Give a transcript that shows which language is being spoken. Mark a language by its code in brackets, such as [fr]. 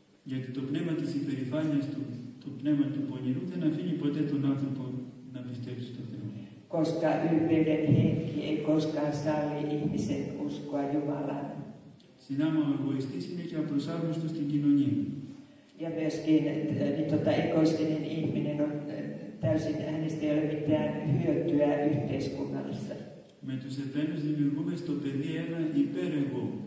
[el] Γιατί το πνεύμα της υπερηφάνειας του, το πνεύμα του πονηρού, δεν αφήνει ποτέ τον άνθρωπο να πιστεύει στο Θεό. [fi] Koska ylpeyden henki ei koskaan salli ihmisen uskoa Jumalaan. [el] Συνάμα ο εγωιστής είναι και απροσάρμοστος στην κοινωνία. [fi] Ja myöskin egoistinen ihminen on täysin, hänestä ei ole mitään hyötyä yhteiskunnassa. [el] Με τους επένους δημιουργούμε στο παιδί ένα υπέρεγο.